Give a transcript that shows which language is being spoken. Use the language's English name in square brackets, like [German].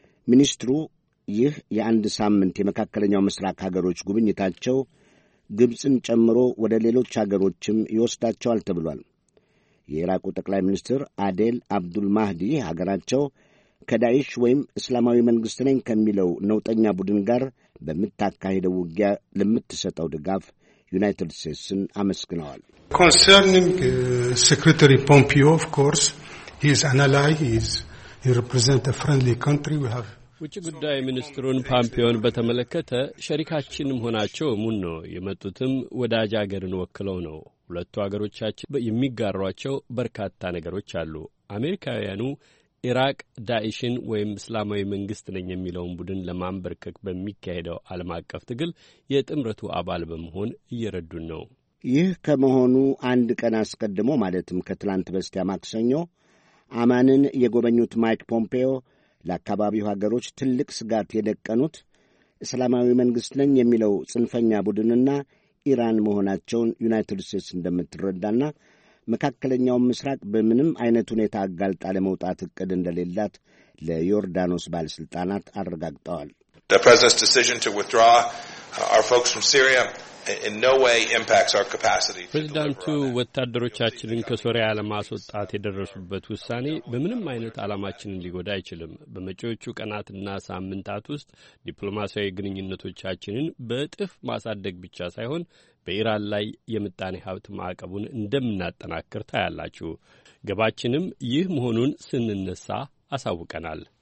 [Amharic] ሚኒስትሩ ይህ የአንድ ሳምንት የመካከለኛው ምስራቅ ሀገሮች ጉብኝታቸው ግብፅን ጨምሮ ወደ ሌሎች ሀገሮችም ይወስዳቸዋል ተብሏል። የኢራቁ ጠቅላይ ሚኒስትር አዴል አብዱል ማህዲ ሀገራቸው ከዳይሽ ወይም እስላማዊ መንግሥት ነኝ ከሚለው ነውጠኛ ቡድን ጋር በምታካሄደው ውጊያ ለምትሰጠው ድጋፍ ዩናይትድ ስቴትስን አመስግነዋል። [English] Concerning Secretary Pompeo, of course, his ally is he represents a friendly country we have. [Amharic] ውጭ ጉዳይ ሚኒስትሩን ፓምፒዮን በተመለከተ ሸሪካችንም ሆናቸው ምን ነው የመጡትም ወዳጅ አገርን ወክለው ነው። ሁለቱ አገሮቻችን የሚጋሯቸው በርካታ ነገሮች አሉ። አሜሪካውያኑ ኢራቅ ዳኢሽን ወይም እስላማዊ መንግስት ነኝ የሚለውን ቡድን ለማንበርከክ በሚካሄደው ዓለም አቀፍ ትግል የጥምረቱ አባል በመሆን እየረዱን ነው። ይህ ከመሆኑ አንድ ቀን አስቀድሞ ማለትም ከትላንት በስቲያ ማክሰኞ አማንን የጎበኙት ማይክ ፖምፒዮ ለአካባቢው ሀገሮች ትልቅ ስጋት የደቀኑት እስላማዊ መንግስት ነኝ የሚለው ጽንፈኛ ቡድንና ኢራን መሆናቸውን ዩናይትድ ስቴትስ እንደምትረዳና መካከለኛው ምስራቅ በምንም አይነት ሁኔታ አጋልጣ ለመውጣት እቅድ እንደሌላት ለዮርዳኖስ ባለስልጣናት አረጋግጠዋል። [English] The president's decision to withdraw our folks from Syria in no way impacts our capacity. [Amharic] ፕሬዝዳንቱ ወታደሮቻችንን ከሶሪያ ለማስወጣት የደረሱበት ውሳኔ በምንም አይነት አላማችንን ሊጎዳ አይችልም። በመጪዎቹ ቀናትና ሳምንታት ውስጥ ዲፕሎማሲያዊ ግንኙነቶቻችንን በእጥፍ ማሳደግ ብቻ ሳይሆን በኢራን ላይ የምጣኔ ሀብት ማዕቀቡን እንደምናጠናክር ታያላችሁ። ገባችንም ይህ መሆኑን ስንነሳ አሳውቀናል።